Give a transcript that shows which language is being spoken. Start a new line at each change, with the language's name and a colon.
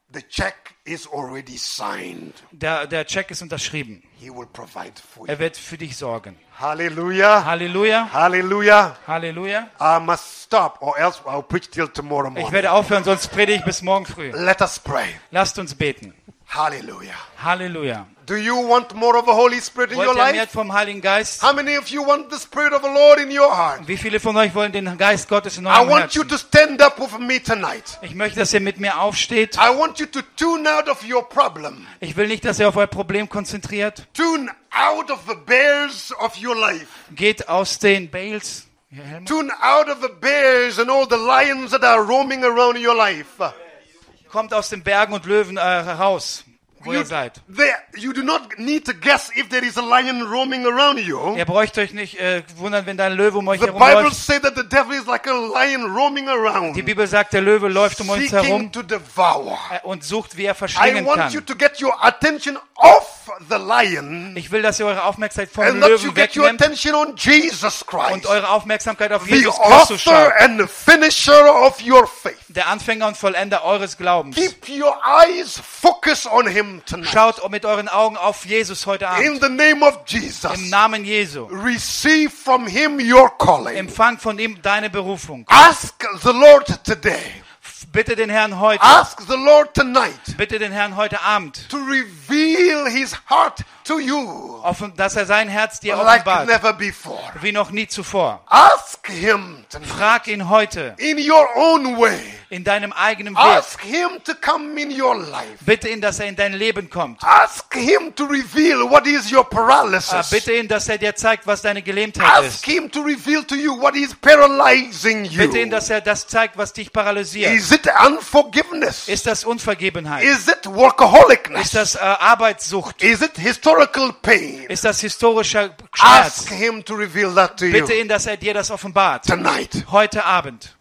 English: The check is already signed.
German: Der Check ist unterschrieben.
English: He will provide for you.
German: Er wird für dich sorgen.
English: Halleluja.
German: Halleluja.
English: Halleluja.
German: Halleluja.
English: I must stop or else I'll preach till tomorrow morning.
German: Ich werde aufhören, sonst predige ich bis morgen früh.
English: Let us pray.
German: Lasst uns beten.
English: Halleluja.
German: Halleluja.
English: Do you want more of the Holy Spirit in your life?
German: Wollt ihr mehr vom Heiligen Geist?
English: How many of you want the Spirit of the Lord in your heart?
German: Wie viele von euch wollen den Geist Gottes in eurem Herzen?
English: I want you to stand up with me tonight.
German: Ich möchte, dass ihr mit mir aufsteht.
English: I want you to tune out of your problem.
German: Ich will nicht, dass ihr auf euer Problem konzentriert.
English: Tune out of the bales of your life.
German: Geht aus den Bales.
English: Tune out of the bears and all the lions that are roaming around your life.
German: Kommt aus den Bergen und Löwen heraus, wo ihr seid.
English: You do not need to guess if there is a lion roaming around you.
German: Ihr braucht euch nicht wundern, wenn da ein Löwe um euch herum läuft.
English: The Bible says that the devil is like a lion roaming around.
German: Die Bibel sagt, der Löwe läuft um uns herum
English: to devour.
German: Und sucht, wie er verschlingen kann.
English: I want you to get your attention off the lion.
German: Ich will, dass ihr eure Aufmerksamkeit vom Löwen wegnimmt.
English: And let you get your attention on Jesus Christ.
German: Und eure Aufmerksamkeit auf Jesus Christus schaut.
English: The author and the finisher of your faith.
German: Der Anfänger und Vollender eures Glaubens.
English: Keep your eyes focused on him.
German: Schaut mit euren Augen auf Jesus heute Abend.
English: In the name of Jesus.
German: Im Namen Jesu.
English: Receive from him your calling.
German: Empfang von ihm deine Berufung.
English: Ask the Lord today.
German: Bitte den Herrn heute.
English: Ask the Lord tonight.
German: Bitte den Herrn heute Abend.
English: To reveal his heart to you.
German: Dass er sein Herz dir offenbart.
English: Like never before.
German: Wie noch nie zuvor.
English: Ask him tonight.
German: Frag ihn heute.
English: In your own way.
German: In deinem eigenen Weg.
English: Ask him to come in your life.
German: Bitte ihn, dass er in dein Leben kommt.
English: Ask him to reveal what is your paralysis.
German: Bitte ihn, dass er dir zeigt, was deine Gelähmtheit ist.
English: Ask him to reveal to you what is paralyzing you.
German: Bitte ihn, dass er das zeigt, was dich paralysiert.
English: Is it unforgiveness?
German: Ist das Unvergebenheit?
English: Is it workaholicness?
German: Ist das Arbeitssucht?
English: Is it historical pain?
German: Ist das historischer Schmerz?
English: Ask him to reveal that to you.
German: Bitte ihn, dass er dir das offenbart.
English: Tonight.
German: Heute Abend.